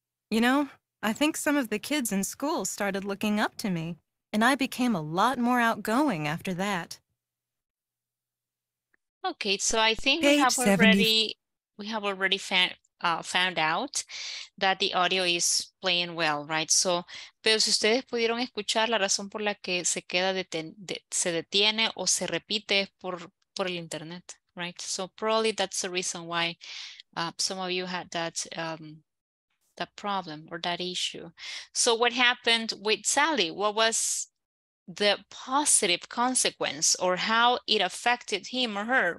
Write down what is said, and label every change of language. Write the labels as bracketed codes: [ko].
[en] You know, I think some of the kids in school started looking up to me, and I became a lot more outgoing after that. Okay, so I think we have already found out that the audio is playing well, right? So, [es] pero si ustedes pudieron escuchar, la razón por la que se queda se detiene o se repite es por el internet, right? [en] So probably that's the reason why some of you had that that problem or that issue. So what happened with Sally? What was the positive consequence or how it affected him or her?